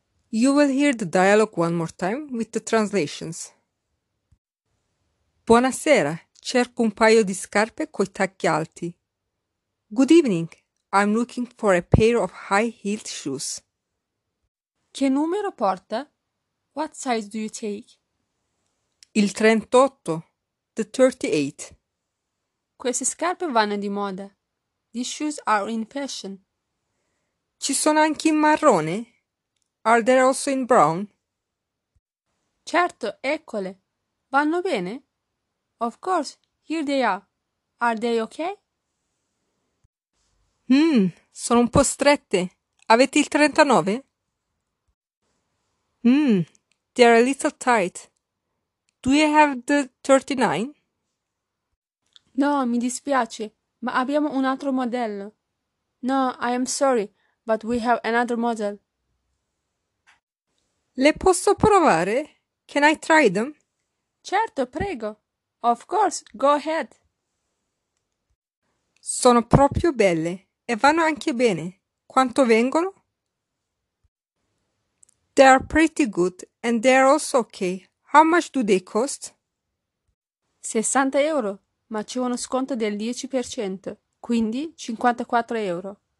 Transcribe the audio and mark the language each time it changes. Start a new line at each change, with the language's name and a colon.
English: You will hear the dialogue one more time with the translations.
Italian: Buonasera, cerco un paio di scarpe coi tacchi alti.
English: Good evening, I'm looking for a pair of high-heeled shoes.
Italian: Che numero porta?
English: What size do you take?
Italian: Il 38.
English: The 38.
Italian: Queste scarpe vanno di moda.
English: These shoes are in fashion.
Italian: Ci sono anche in marrone?
English: Are there also in brown?
Italian: Certo, eccole. Vanno bene?
English: Of course, here they are. Are they okay?
Italian: Sono un po' strette. Avete il 39?
English: They are a little tight. Do you have the 39?
Italian: No, mi dispiace, ma abbiamo un altro modello.
English: No, I am sorry, but we have another model.
Italian: Le posso provare?
English: Can I try them?
Italian: Certo, prego.
English: Of course, go ahead.
Italian: Sono proprio belle e vanno anche bene. Quanto vengono?
English: They are pretty good and they are also okay. How much do they cost?
Italian: 60 euro, ma c'è uno sconto del 10%, quindi 54 euro.